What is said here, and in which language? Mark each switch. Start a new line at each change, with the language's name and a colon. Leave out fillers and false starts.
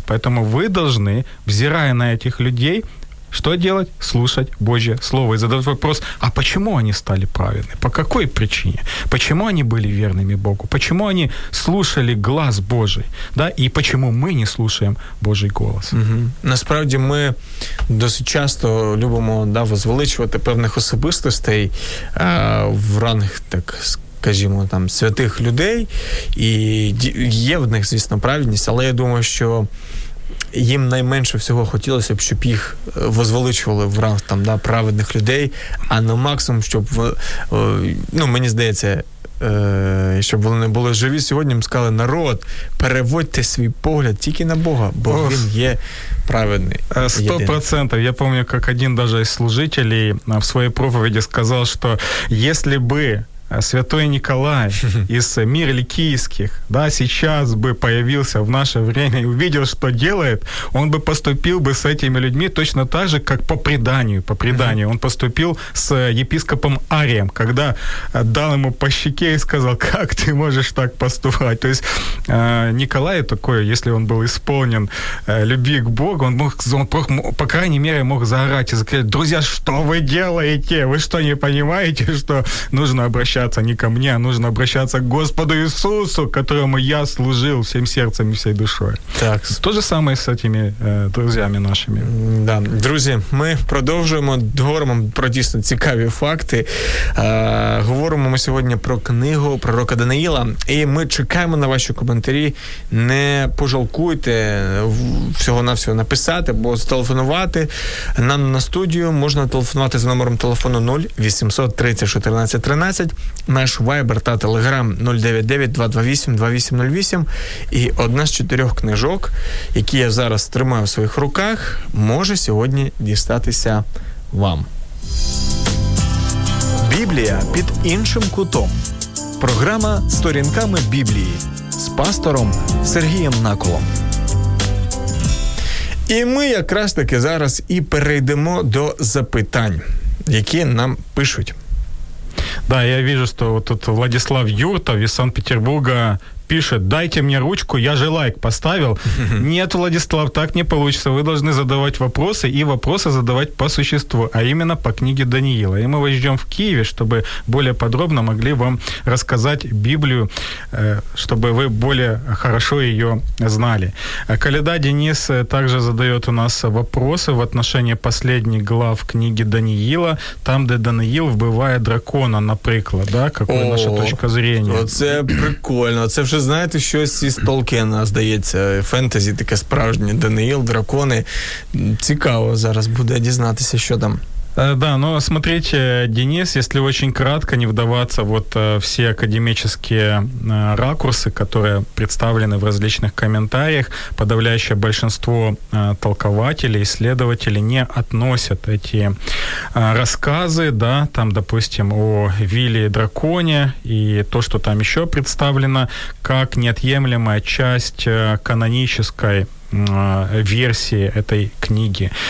Russian: Поэтому вы должны, взирая на этих людей, что делать? Слушать Божье Слово. И задавать вопрос, а почему они стали праведны? По какой причине? Почему они были верными Богу? Почему они слушали глас Божий? Да? И почему мы не слушаем Божий голос? Угу.
Ukrainian: Насправді, ми досить часто любимо, да, возвеличувати певних особистостей в ранних, так скажімо, там, святих людей. І є в них, звісно, праведність, але я думаю, що їм найменше всього хотілося б, щоб їх возвеличували в ранг там, да, праведних людей, а не максимум, щоб, ну, мені здається, щоб вони були живі сьогодні, їм сказали, народ, переводьте свій погляд тільки на Бога, бо він є праведний. 100%. Я пам'ятаю, як один
Russian: даже із служителей в
Ukrainian: своїй проповіді
Russian: сказав, що якщо б святой Николай из Мирликийских, да, сейчас бы появился в наше время и увидел, что делает, он бы поступил бы с этими людьми точно так же, как по преданию он поступил с епископом Арием, когда дал ему по щеке и сказал, как ты можешь так поступать. То есть Николай такой, если он был исполнен любви к Богу, он мог, по крайней мере, мог заорать и сказать, друзья, что вы делаете? Вы что, не понимаете, что нужно обращаться не ко мне, а нужно обращаться к Господу Иисусу, которому я служил всем сердцем и всей душой. Так. То же самое с этими друзьями нашими. Да.
Ukrainian: Друзі, ми продовжуємо, говоримо про дійсно цікаві факти. Говоримо ми сьогодні про книгу пророка Даниїла, і ми чекаємо на ваші коментарі. Не пожалкуйте всього-навсього написати, бо зателефонувати нам на студію можна телефонувати за номером телефону 0 800 30 14 13. Наш Viber та Telegram 099-228-2808. І одна з чотирьох книжок, які я зараз тримаю в своїх руках, може сьогодні дістатися вам. Біблія під іншим кутом. Програма «Сторінками Біблії» з пастором Сергієм Наколом. І ми якраз таки зараз і перейдемо до запитань, які нам пишуть.
Russian: Да, я вижу, что вот тут Владислав Юртов из Санкт-Петербурга пишет, дайте мне ручку, я же лайк поставил. Нет, Владислав, так не получится. Вы должны задавать вопросы и вопросы задавать по существу, а именно по книге Даниила. И мы вас ждем в Киеве, чтобы более подробно могли вам рассказать Библию, чтобы вы более хорошо ее знали. Коляда Денис также задает у нас вопросы в отношении последних глав книги Даниила, там, где Даниил вбивает дракона, например, да, какое наша точка зрения. Вот это прикольно, это
Ukrainian: вже, знаєте, щось із Толкіна, здається, фентезі таке справжнє, Даниїл, дракони. Цікаво зараз буде дізнатися, що там.
Russian: Да, но смотрите, Денис, если очень кратко, не вдаваться вот все академические ракурсы, которые представлены в различных комментариях, подавляющее большинство толкователей, исследователей не относят эти рассказы, да, там, допустим, о Вилле и Драконе и то, что там еще представлено, как неотъемлемая часть канонической версии этой книги.